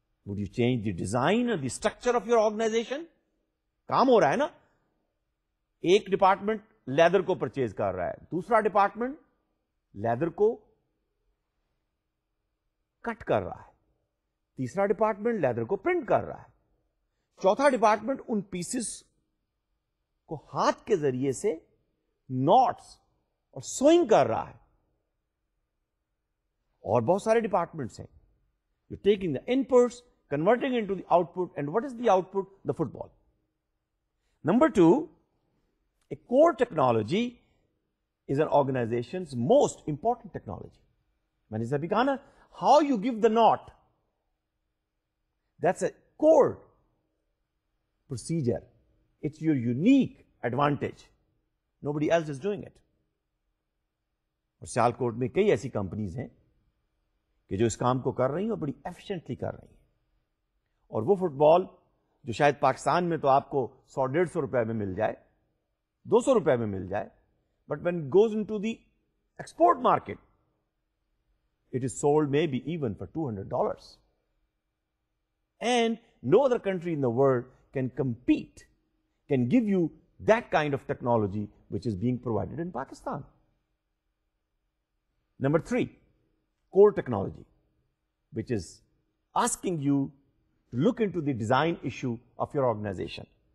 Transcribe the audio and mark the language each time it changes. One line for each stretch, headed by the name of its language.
English: Would you change the design اور the structure of your organization?
Urdu: کام ہو رہا ہے نا, ایک ڈپارٹمنٹ لیدر کو پرچیز کر رہا ہے, دوسرا ڈپارٹمنٹ لیدر کو کٹ کر رہا ہے, تیسرا ڈپارٹمنٹ لیدر کو پرنٹ کر رہا ہے, چوتھا ڈپارٹمنٹ ان پیسز کو ہاتھ کے ذریعے سے نوٹس اور سوئنگ کر رہا ہے, اور بہت سارے ڈپارٹمنٹس ہیں.
English: You taking the inputs, converting into the output, and what is the output? The football. Number two, a core technology is an organization's most important technology.
Urdu: میں نے ابھی کہا نا,
English: How you give the note, that's a core procedure. It's your unique advantage. Nobody else is doing it.
Urdu: اور سیالکوٹ میں کئی ایسی companies ہیں کہ جو اس کام کو کر رہی ہیں اور بڑی ایفیشنٹلی کر رہی ہیں, اور وہ فٹ بال جو شاید پاکستان میں تو آپ کو 100-150 روپے میں مل جائے, 200 روپے میں مل جائے,
English: But when goes into the export market it is sold maybe even for $200, and no other country in the world can compete, can give you that kind of technology which is being provided in Pakistan. Number three, core technology, which is asking you to look into the design issue of your organization.